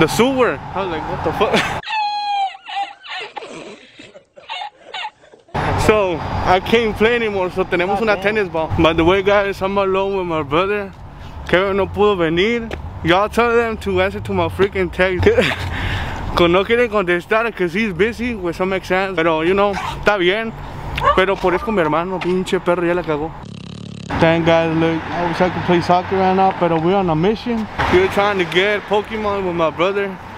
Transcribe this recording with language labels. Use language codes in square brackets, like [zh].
[en] The sewer. I was like, what the fuck? So I can't play anymore. So [es] tenemos una [en] tennis ball. By the way, guys, I'm alone with my brother. Kevin [es] no pudo venir. [en] Y'all tell them to answer to my freaking text. [es] No quieren contestar [en] because he's busy with some exams. [es] Pero, [en] you know, [es] está bien. Pero por eso mi hermano, pinche perro, ya la cagó. [en] Thank God, look, I wish I could play soccer right now, pero we're on a mission. We're trying to get Pokemon with my brother.